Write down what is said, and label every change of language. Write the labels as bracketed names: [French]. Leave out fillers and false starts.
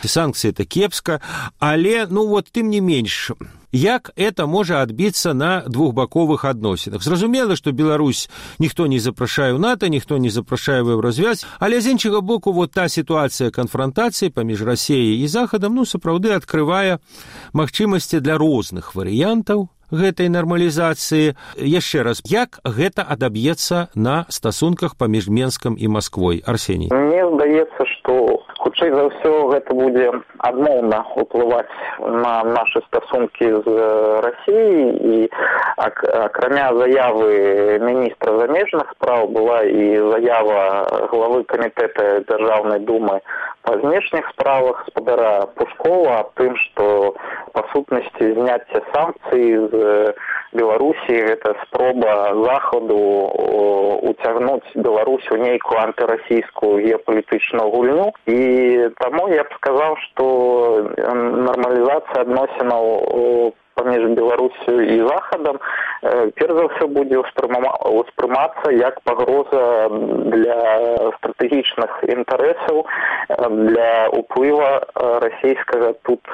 [Ukrainian] Санкції – це кепска. Але, ну, от тим не менш, як це може відбитися на двохбокових відносинах? Зрозуміло, що Білорусь ніхто не запрошує в НАТО, ніхто не запрошує в Євросвязь, але з іншого боку, от та ситуація конфронтації поміж Росією і Заходом, ну, справді, відкриває можливості для різних варіантів [Belarusian] гэтай [Ukrainian] нормалізації. [Belarusian] Ще раз, як гэта адаб'ецца на стасунках паміж Менскам і Москвой? Арсеній. Мне здаецца, што хутчэй за ўсё гэта будзе адмоўна ўплываць на нашы стасункі з Расіяй. І акрамя заявы міністра замежных справ была і заява главы камітэта Дзяржаўнай Думы па знешніх справах спадара Пушкова аб тым, што па сутнасці зняцце санкцый з Беларусі, гэта спроба Заходу уцягнуць Беларусь у нейкую антырасійскую геапалітычную гульню. [Ukrainian] І таму я б сказав, што нормалізація [Belarusian] адносінаў [Ukrainian] поміж Беларусью і Заходом перш за все буде восприйматися як погроза для стратегічних інтересів, для впливу російського тут.